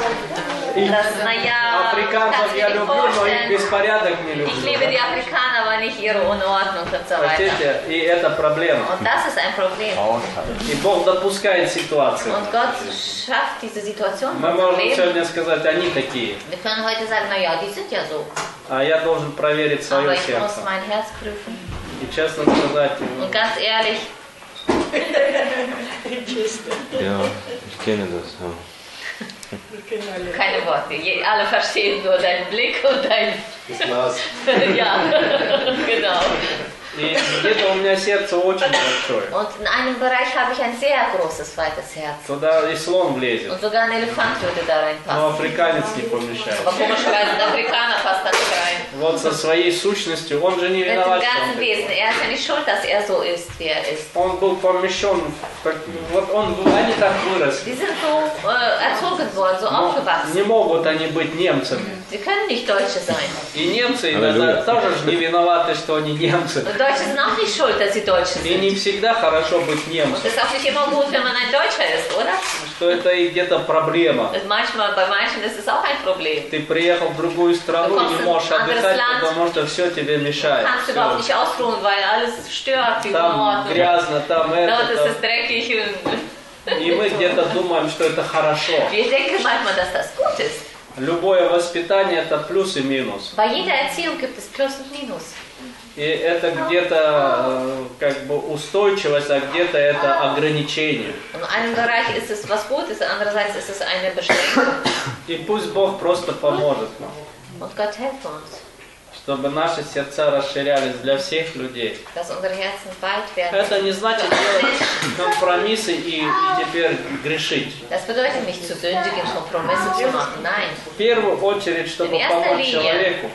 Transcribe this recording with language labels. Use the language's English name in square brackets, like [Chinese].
[Russian] Африканцев я люблю, но их беспорядок не люблю. [German] Ich liebe die Afrikaner, aber nicht ihre Unordnung und so weiter. Verstehe, [Russian] и это проблема. [German] Und das ist ein Problem. [Russian] И Бог допускает ситуацию. [German] Und Gott schafft diese Situation. [Russian] Мы можем сегодня сказать, они такие. [German] Wir können heute sagen, na ja, die sind ja so. [Russian] А я должен проверить свое сердце. [German] Aber ich muss mein Herz prüfen. [Russian] И честно сказать. [German] Und ganz ehrlich. Ja, ich kenne das. Ja. Keine Worte. Alle verstehen nur deinen Blick und dein. Das ja, genau. [Russian] Где-то у меня сердце очень большое. [German] Und in einem Bereich habe ich ein sehr großes weites Herz. [Russian] Туда и слон влезет. [German] Und sogar ein Elefant würde da reinpassen. [Russian] Но африканец не помешает. [German] Aber komischerweise ein Afrikaner passt da nicht rein. [Russian] Вот со своей сущностью он же не виноват. [German] Mit dem ganzen Wesen. Er ist ja nicht schuld, dass er so ist, wie er ist. [Russian] Он был помещен, как, вот он, они так выросли. [German] Die sind so erzogen worden, so aufgewachsen. [Russian] Не могут они быть немцами. [German] Sie können nicht Deutsche sein. [Russian] И немцы иногда тоже не виноваты, что они немцы. [German] Deutsche sind auch nicht schuld, dass sie Deutsche sind. [Russian] И не всегда хорошо быть немцем. [German] Und es ist auch nicht immer gut, wenn man ein Deutscher ist, oder? [Russian] то это и где-то проблема. [German] Manchmal, das ist auch ein Problem. [Russian] Ты приехал в другую страну и не можешь отдыхать, [German] Land, [Russian] потому что все тебе мешает. [German] Kannst du überhaupt nicht ausruhen, weil alles stört, [Russian] там грязно, там no, это. [German] Das ist dreckig. [Russian] И мы где-то думаем, что это хорошо. [German] Wir denken manchmal, dass das gut ist. [Russian] Любое воспитание – это плюс и минус. [German] Bei jeder Erziehung gibt es plus und minus. [Russian] И это где-то как бы устойчивость, а где-то это ограничение. [German] In einem Bereich ist es was Gutes, andererseits ist es eine Beschränkung. [Russian] И пусть Бог просто поможет нам. [German] Und Gott helfe uns. [Russian] Чтобы наши сердца расширялись для всех людей. [German] Dass unsere Herzen weit werden. [Russian] Это не значит делать компромиссы и теперь грешить. [German] Das bedeutet nicht zu sündigen, Kompromisse zu machen. Nein. [Russian] В первую очередь, чтобы помочь человеку.